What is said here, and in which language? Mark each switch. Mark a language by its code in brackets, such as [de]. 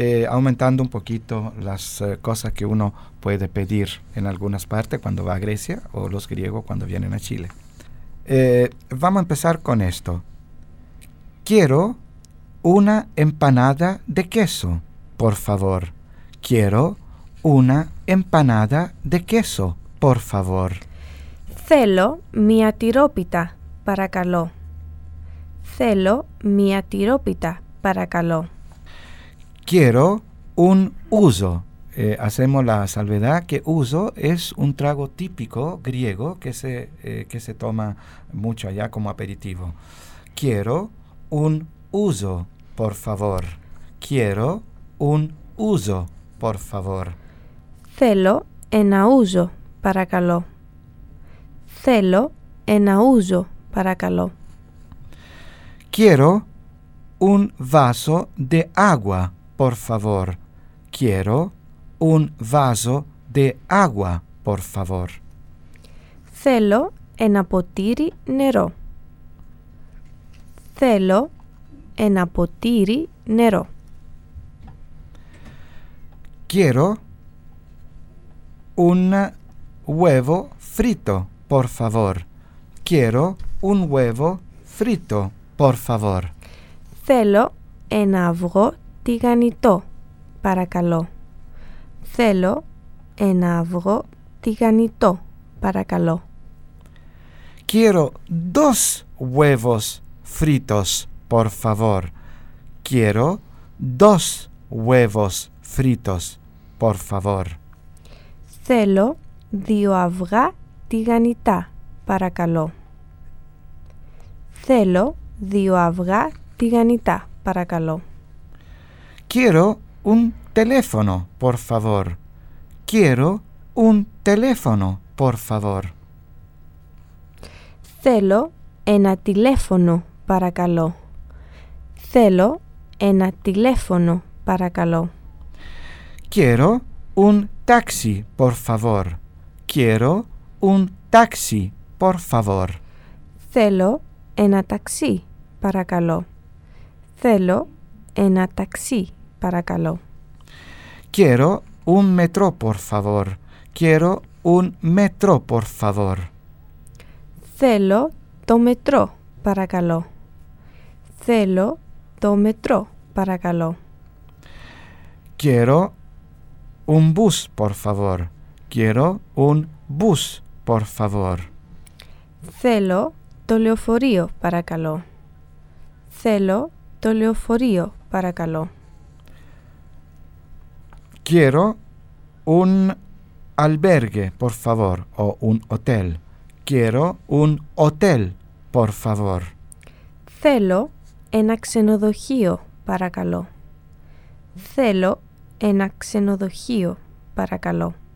[es] Aumentando un poquito las cosas que uno puede pedir en algunas partes cuando va a Grecia o los griegos cuando vienen a Chile. Vamos a empezar con esto. Quiero una empanada de queso, por favor. Quiero una empanada de queso, por favor. [el] Θέλω μια τυρόπιτα, παρακαλώ. Θέλω μια τυρόπιτα, παρακαλώ. [es] Quiero un uso. Hacemos la salvedad que uso es un trago típico griego que se toma mucho allá como aperitivo. Quiero un uso, por favor. Quiero un uso, por favor. [el] Θέλω ένα uso, παρακαλώ. Θέλω ένα uso, παρακαλώ. [es] Quiero un vaso de agua. Por favor, quiero un vaso de agua, por favor. [el] Θέλω ένα ποτήρι νερό. Θέλω ένα ποτήρι νερό. [es] Quiero un huevo frito, por favor. Quiero un huevo frito, por favor. [el] Θέλω ένα αυγό τηγανιτό, παρακαλώ. Θέλω ένα αυγό τηγανιτό, παρακαλώ. [es] Quiero dos huevos fritos, por favor. Quiero dos huevos fritos, por favor. [el] Θέλω δύο αυγά τηγανιτά, παρακαλώ. Θέλω δύο αυγά τηγανιτά, παρακαλώ. [es] Quiero un teléfono, por favor. Quiero un teléfono, por favor. [el] Θέλω ένα τηλέφωνο, παρακαλώ. Θέλω ένα τηλέφωνο, παρακαλώ. [es] Quiero un taxi, por favor. Quiero un taxi, por favor. [el] Θέλω ένα ταξί, παρακαλώ. Θέλω ένα ταξί, παρακαλώ. [es] Quiero un metro, por favor. Quiero un metro, por favor. [el] Θέλω το μετρό, παρακαλώ. Θέλω το μετρό, παρακαλώ. [es] Quiero un bus, por favor. Quiero un bus, por favor. [el] Θέλω το λεωφορείο, παρακαλώ. Θέλω το λεωφορείο, παρακαλώ. [es] Quiero un albergue, por favor, o un hotel. Quiero un hotel, por favor. [el] Θέλω ένα ξενοδοχείο, παρακαλώ. Θέλω ένα ξενοδοχείο, παρακαλώ.